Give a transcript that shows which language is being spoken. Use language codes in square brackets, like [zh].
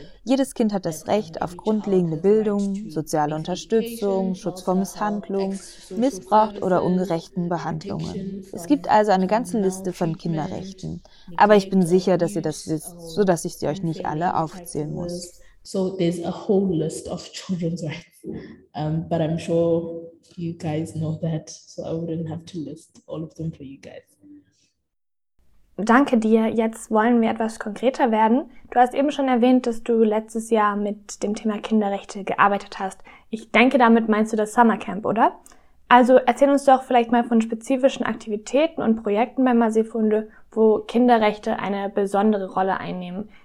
[de] Jedes Kind hat das Recht auf grundlegende Bildung, soziale Unterstützung, Schutz vor Misshandlung, Missbrauch oder ungerechten Behandlungen. Es gibt also eine ganze Liste von Kinderrechten. Aber ich bin sicher, dass ihr das wisst, sodass ich sie euch nicht alle aufzählen muss. [en] So, there's a whole list of children's rights. But I'm sure you guys know that, so I wouldn't have to list all of them for you guys. [de] Danke dir. Jetzt wollen wir etwas konkreter werden. Du hast eben schon erwähnt, dass du letztes Jahr mit dem Thema Kinderrechte gearbeitet hast. Ich denke, damit meinst du das Summercamp, oder? Also erzähl uns doch vielleicht mal von spezifischen Aktivitäten und Projekten bei Masifunde, wo Kinderrechte eine besondere Rolle einnehmen.